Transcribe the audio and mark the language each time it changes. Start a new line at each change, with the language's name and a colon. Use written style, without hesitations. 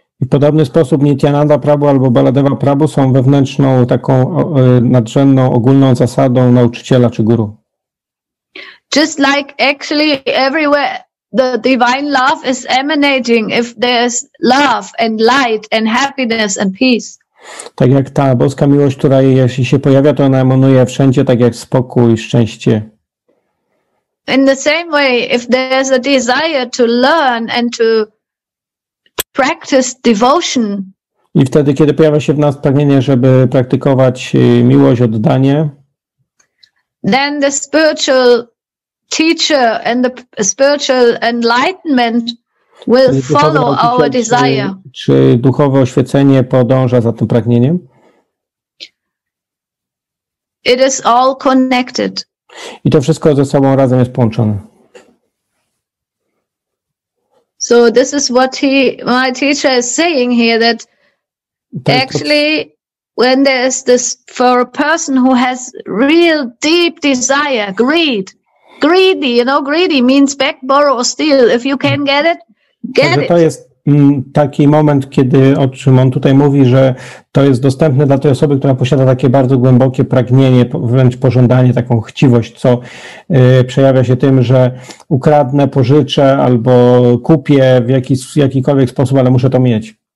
Polish: W podobny sposób Nityananda Prabhu albo Baladeva Prabhu są wewnętrzną, taką nadrzędną, ogólną zasadą nauczyciela czy guru.
English: Just like actually everywhere the divine love is emanating, if there's love and light and happiness and peace.
Polish: Tak jak ta boska miłość, która jeśli się pojawia, to ona emanuje wszędzie, tak jak spokój, szczęście.
English: In the same way, if there's a desire to learn and to practice devotion.
Polish: I wtedy, kiedy pojawia się w nas pragnienie, żeby praktykować miłość, oddanie.
English: Then the spiritual teacher and the spiritual enlightenment will follow our desire.
Polish: Czy duchowe oświecenie podąża za tym pragnieniem?
English: It is all connected.
Polish: I to wszystko ze sobą razem jest połączone.
English: So this is what my teacher is saying here, that actually when there is this, for a person who has real deep desire, greedy, you know, greedy means beg, borrow, or steal. If you can get it, get
Polish: to jest taki moment, kiedy, o czym on tutaj mówi, że to jest dostępne dla tej osoby, która posiada takie bardzo głębokie pragnienie, wręcz pożądanie, taką chciwość, co przejawia się tym, że ukradnę, pożyczę albo kupię w jakikolwiek sposób, ale muszę to mieć.